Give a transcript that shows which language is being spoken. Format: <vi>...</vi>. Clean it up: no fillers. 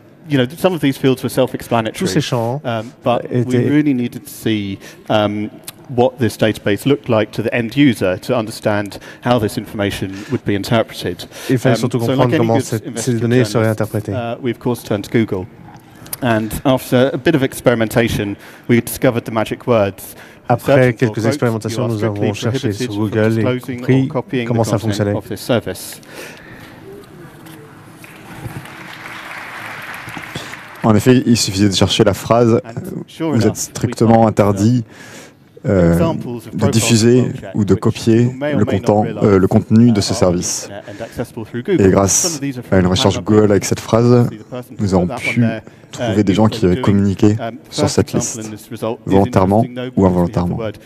<en>You know, some of these fields were self-explanatory.</en> <fr>Tous ces champs étaient...</fr> <en>We really needed to see what this database looked like to the end user to understand how this information would be interpreted.</en> <fr>Il fallait surtout comprendre comment ces données seraient interprétées.</fr> <en>We of course turned to Google. And after a bit of experimentation, we discovered the magic words.</en> <fr>Après quelques expérimentations, nous avons cherché sur Google et compris comment ça fonctionnait. En effet, il suffisait de chercher la phrase « Vous êtes strictement interdit de diffuser ou de copier le contenu de ce service. » Et grâce à une recherche Google avec cette phrase, nous avons pu trouver des gens qui avaient communiqué sur cette liste, volontairement ou involontairement.</fr>